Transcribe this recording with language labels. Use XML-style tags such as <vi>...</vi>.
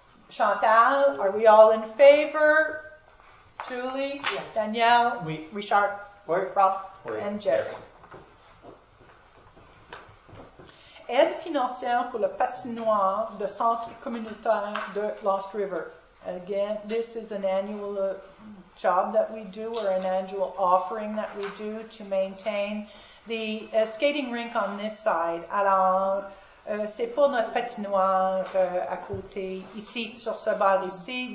<en>Chantal, are we all in favor? Julie? Yes. Danielle?</en> <fr>Oui.</fr> <en>Richard?</en> <fr>Oui.</fr> <en>Rob?</en> <fr>Oui.</fr> <en>And Jerry.</en> <fr>Aide financière pour le patinoire de centre communautaire de Lost River.</fr> <en>Again, this is an annual job that we do, or an annual offering that we do to maintain the skating rink on this side.</en> <fr>Alors, c'est pour notre patinoire à côté, ici, sur ce bar ici.</fr>